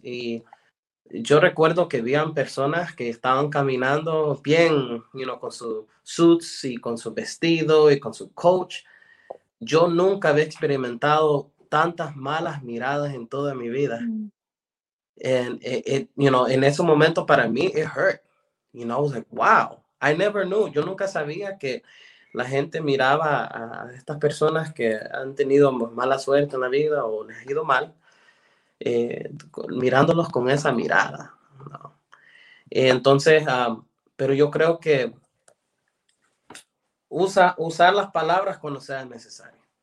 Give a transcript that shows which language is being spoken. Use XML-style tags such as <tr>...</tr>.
<es>Y yo recuerdo que habían personas que estaban caminando bien,</es> <en>you know,</en> <es>con sus suits y con su vestido y con su coach. Yo nunca había experimentado tantas malas miradas en toda mi vida.</es> <en>And you know,</en> <es>en ese momento para mí,</es> <en>it hurt. You know, I was like, wow, I never knew.</en> <es>Yo nunca sabía que la gente miraba a estas personas que han tenido mala suerte en la vida o les ha ido mal, mirándolos con esa mirada, ¿no? Entonces, pero yo creo que usar las palabras cuando sea necesario.</es>